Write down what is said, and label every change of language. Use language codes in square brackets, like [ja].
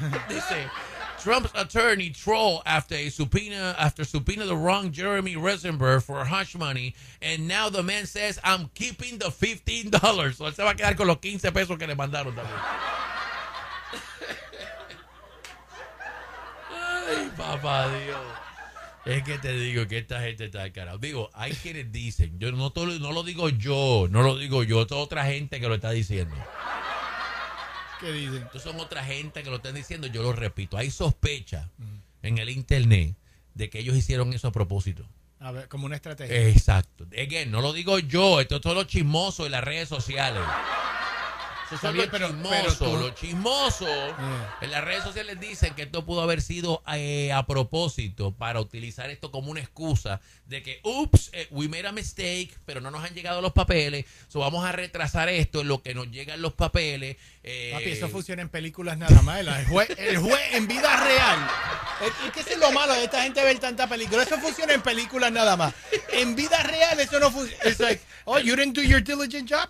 [en] Dice, Trump's attorney troll after subpoena the wrong Jeremy Rosenberg for hush money and now the man says, I'm keeping the $15. [es] So él se va a quedar con los 15 pesos que le mandaron también. Ay, papá Dios. Es que te digo que esta gente está de carajo. Digo, hay quienes dicen, yo no lo digo yo, es otra gente que lo está diciendo. ¿Qué dicen? Entonces son otra gente que lo están diciendo, yo lo repito. Hay sospecha en el internet de que ellos hicieron eso a propósito. A ver, como una estrategia. Exacto. Again, no lo digo yo, esto es todo lo chismoso en las redes sociales. Los chismosos en las redes sociales dicen que esto pudo haber sido a propósito para utilizar esto como una excusa de que, [en] oops, we made a mistake, [es] pero no nos han llegado los papeles, so vamos a retrasar esto en lo que nos llegan los papeles. Papi, eso funciona en películas nada más. El juez en vida real. Es que eso es lo malo de esta gente ver tanta película. Eso funciona en películas nada más. En vida real eso no funciona. [en] It's like, oh, you didn't do your diligent job.